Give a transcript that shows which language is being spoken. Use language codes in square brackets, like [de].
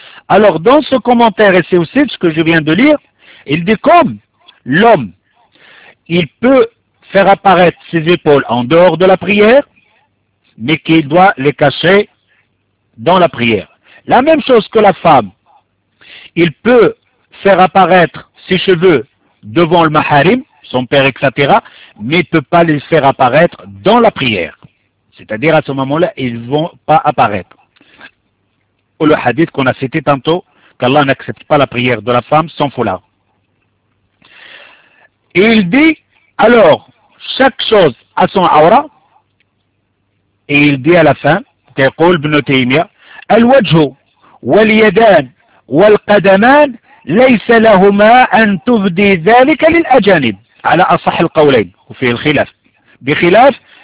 [fr] Alors dans ce commentaire et c'est aussi ce que je viens de lire il dit comme l'homme il peut faire apparaître ses épaules en dehors de la prière mais qu'il doit les cacher dans la prière La même chose que la femme, il peut faire apparaître ses cheveux devant le maharim, son père, etc., mais il ne peut pas les faire apparaître dans la prière. C'est-à-dire, à ce moment-là, ils ne vont pas apparaître. Ou le hadith qu'on a cité tantôt, qu'Allah n'accepte pas la prière de la femme sans foulard. Et il dit, alors, chaque chose a son aura, et il dit à la fin, « Taqul ibn Taymiyyah » [ar] الوجه واليدان والقدمان ليس لهما أن تبدي ذلك للأجانب على أصح القولين وفي الخلاف بخلاف